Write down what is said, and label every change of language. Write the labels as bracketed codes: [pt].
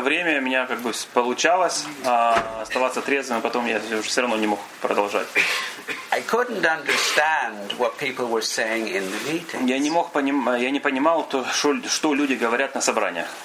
[ru] время у меня как бы получалось оставаться трезвым, а потом я уже все равно не мог продолжать. [en] I couldn't understand what people were saying in the meetings. [ru] Я не понимал, что люди говорят на собраниях.